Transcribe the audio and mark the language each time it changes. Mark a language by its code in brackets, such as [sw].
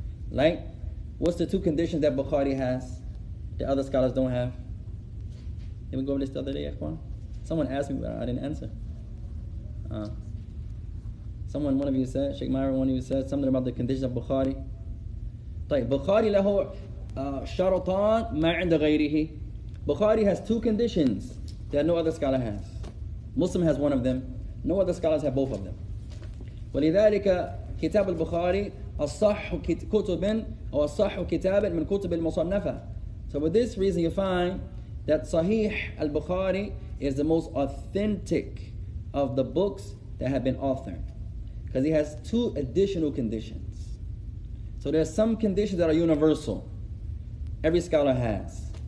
[en] Like, what's the two conditions that Bukhari has that other scholars don't have? Did we go over this the other day, Ikhwan? Someone asked me, but I didn't answer. Someone, one of you said, Sheikh Myra, one of you said something about the condition of Bukhari. [ar] طيب, Bukhari له شرطان ما عند غيره. [en] Bukhari has two conditions that no other scholar has. Muslim has one of them. No other scholars have both of them. [ar] ولذلك كتاب البخاري الصح كتب أو الصح كتاب من كتب المصنفة. [en] So for this reason, you find that Sahih al-Bukhari is the most authentic of the books that have been authored, because he has two additional conditions. So there are some conditions that are universal, every scholar has.